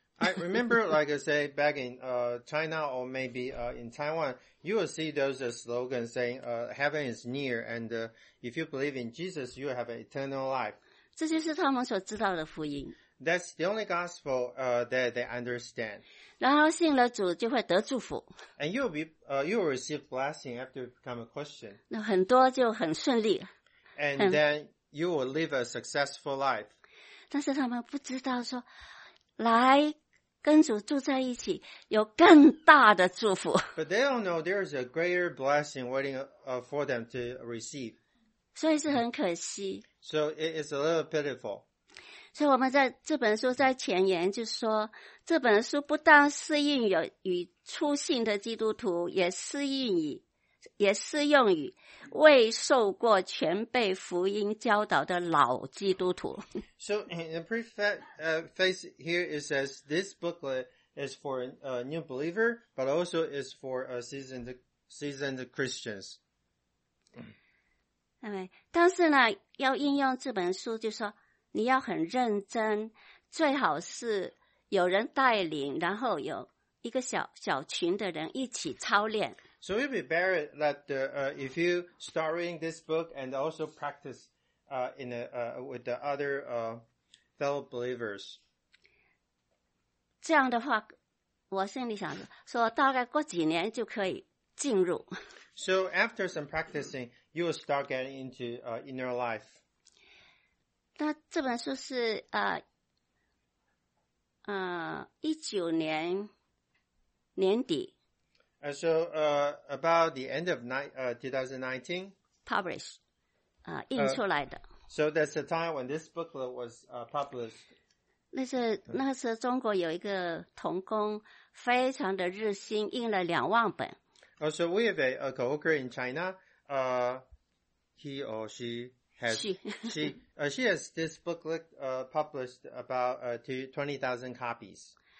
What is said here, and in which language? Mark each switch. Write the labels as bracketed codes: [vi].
[en] I remember, like I say, back in China or maybe in Taiwan, you will see those slogans saying, heaven is near, and if you believe in Jesus, you will have an eternal life. [zh] 这就是他们所知道的福音。 [en] That's the only gospel that they understand. [zh] 然后信了主就会得祝福。 [en] And you will be, you will receive blessing after you become a Christian. [zh] 那很多就很顺利。 [en] And then you will live a successful life. [zh] 但是他们不知道说来跟主住在一起有更大的祝福。 [en] But they don't know there is a greater blessing waiting for them to receive. [zh] 所以是很可惜。 [en] So it is a little pitiful. [zh] 所以我们在这本书在前言就说，这本书不但适应于初信的基督徒，也适用于未受过全备福音教导的老基督徒。 [en] So in the preface here it says this booklet is for a new believer, but also is for a seasoned Christians. [zh] 但是呢，要应用这本书，就说你要很认真，最好是有人带领，然后有一个小群的人一起操练。 [en] So it would be better that if you start reading this book and also practice with the other fellow believers. [zh] 这样的话，我心里想说，大概过几年就可以进入。 [en] So after some practicing, you will start getting into inner life. [zh] 那这本书是19年年底。 [en] So, about the end of 2019, [zh] published, 印出来的。 [en] So that's the time when this booklet was published. [zh] 那时中国有一个童工非常的热心，印了20,000本。 [en] So we have a co-worker in China. He or she has she has this booklet published about 20,000 copies.